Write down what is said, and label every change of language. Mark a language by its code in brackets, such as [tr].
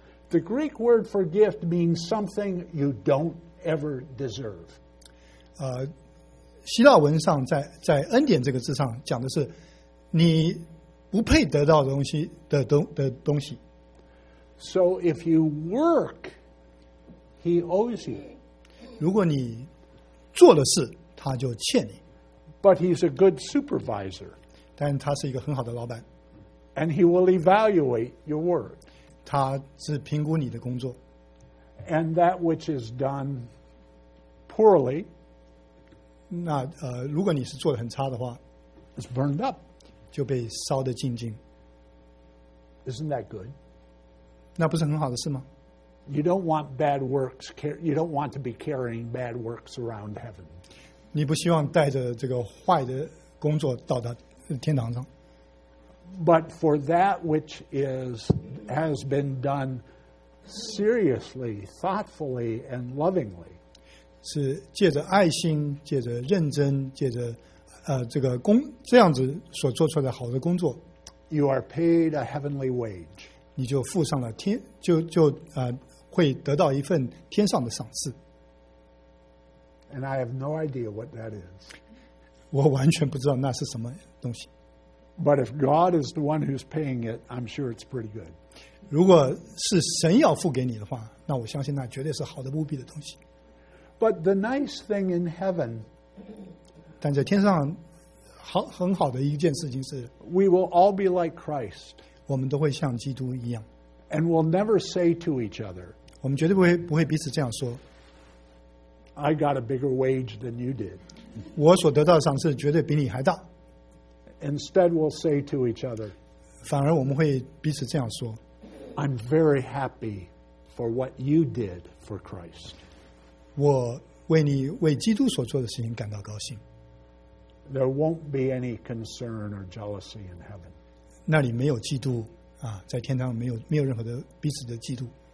[en] The Greek word for gift means something you don't ever deserve. [zh] 希腊文上在恩典这个字上讲的是你不配得到的东西 的东西。 [en] So if you work, he owes you. [zh] 如果你做了事，他就欠你。 [en] But he's a good supervisor. [zh] 但他是一个很好的老板。 [en] And he will evaluate your work. [zh] 他是评估你的工作。 [en] And that which is done poorly, [zh] 那如果你是做得很差的话 [en] is burned up. [zh] 就被烧得静静。 [en] Isn't that good? [zh] 那不是很好的事吗？ [en] You don't want bad works. You don't want to be carrying bad works around heaven. [zh] 你不希望带着这个坏的工作到达天堂上。 [en] But for that which has been done seriously, thoughtfully, and lovingly, [zh] 是借着爱心，借着认真，借着这个工这样子所做出来的好的工作。 [en] You are paid a heavenly wage. [zh] 你就付上了天，就会得到一份天上的赏赐。 [en] And I have no idea what that is. [zh] 我完全不知道那是什么东西。 [en] But if God is the one who's paying it, I'm sure it's pretty good. [zh] 如果是神要付给你的话，那我相信那绝对是好的无比的东西。 [en] But the nice thing in heaven, [zh] 但在天上很好的一件事情是 [en] ，We will all be like Christ. [zh] 我们都会像基督一样 [en] ，and we'll never say to each other， [zh] 我们绝对不会彼此这样说。 [en] I got a bigger wage than you did， [zh] 我所得到的赏赐绝对比你还大。 [en] Instead, we'll say to each other， [zh] 反而我们会彼此这样说 [en] ，I'm very happy for what you did for Christ， [zh] 我为你为基督所做的事情感到高兴。 [en] There won't be any concern or jealousy in heaven。 [zh] 那里没有嫉妒啊，在天堂没有任何的彼此的嫉妒。